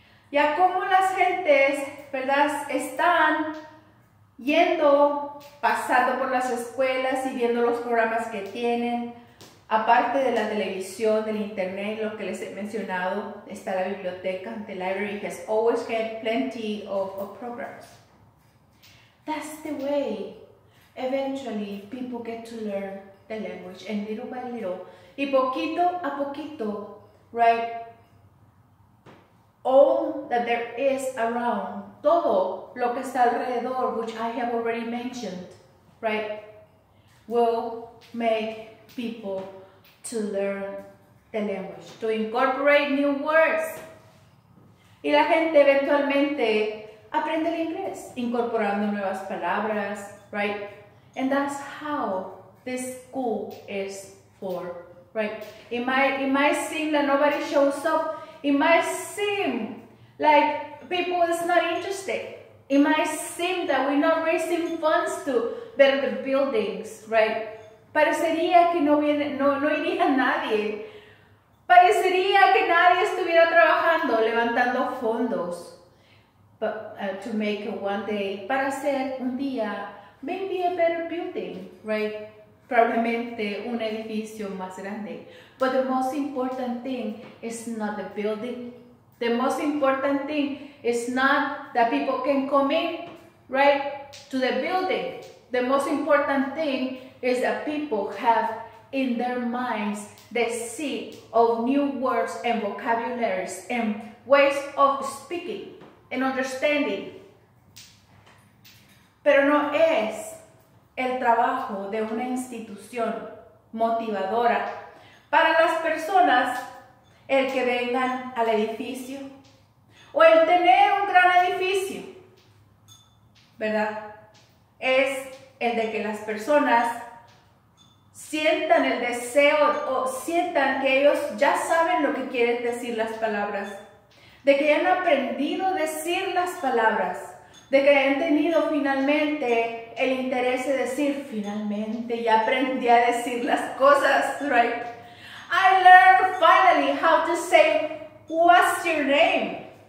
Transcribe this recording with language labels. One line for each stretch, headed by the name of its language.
Spanish: Ya como las gentes, ¿verdad?, están yendo, pasando por las escuelas y viendo los programas que tienen, aparte de la televisión, del internet, lo que les he mencionado, está la biblioteca,
English: the library has always had plenty of programs. That's the way eventually people get to learn the language, and little by little,
Spanish: y poquito a poquito,
English: right, all that there is around,
Spanish: todo lo que está alrededor,
English: which I have already mentioned, right, will make people to learn the language, to incorporate new words.
Spanish: Y la gente eventualmente aprende el inglés, incorporando nuevas palabras, right?
English: And that's how this school is for, right? It might seem that nobody shows up. It might seem like people is not interested. It might seem that we're not raising funds to build the buildings, right?
Spanish: Parecería que no iría nadie. Parecería que nadie estuviera trabajando, levantando fondos.
English: To make one day,
Spanish: para hacer un día,
English: maybe a better building, right?
Spanish: Probablemente un edificio más grande.
English: But the most important thing is not the building. The most important thing is not that people can come in, right, to the building. The most important thing is that people have in their minds the seed of new words and vocabularies and ways of speaking and understanding.
Spanish: Pero no es el trabajo de una institución motivadora Para las personas, el que vengan al edificio o el tener un gran edificio, ¿verdad? Es el de que las personas sientan el deseo o sientan que ellos ya saben lo que quieren decir las palabras, de que han aprendido a decir las palabras, de que han tenido finalmente el interés de decir, finalmente ya aprendí a decir las cosas, right?
English: I learned finally how to say, what's your name?